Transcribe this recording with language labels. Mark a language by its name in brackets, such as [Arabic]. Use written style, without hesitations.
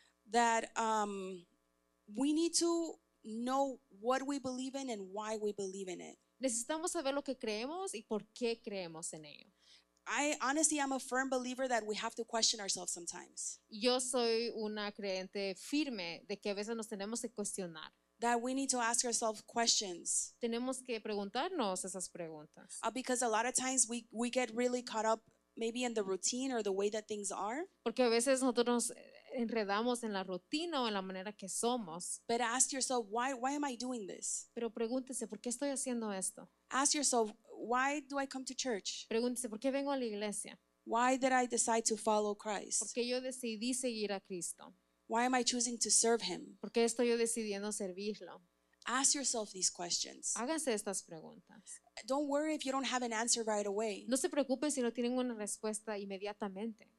[English] That we need to know what we believe in and why we believe in it. [Spanish] Necesitamos saber lo que creemos y por qué creemos en ello. [English] I honestly am a firm believer that we have to question ourselves sometimes. [Spanish] Yo soy una creyente firme de que a veces nos tenemos que cuestionar. [English] That we need to ask ourselves questions. [Spanish] Tenemos que preguntarnos esas preguntas. [English] Because a lot of times we get really caught up maybe in the routine or the way that things are. [Spanish] Porque a veces nosotros nos enredamos en la rutina o en la manera que somos. [English] But ask yourself, why am I doing this? [Spanish] Pero pregúntese, ¿por qué estoy haciendo esto? [English] Ask yourself, why do I come to church? [Spanish] Pregúntese, ¿por qué vengo a la iglesia? [English] Why did I decide to follow Christ? [Spanish] ¿Por qué yo decidí seguir a Cristo? [English] Why am I choosing to serve him? [Spanish] ¿Por qué estoy yo decidiendo servirlo? [English] Ask yourself these questions. [Spanish] Háganse estas preguntas. [English] Don't worry if you don't have an answer right away. [Spanish] No se preocupen si no tienen una respuesta inmediatamente.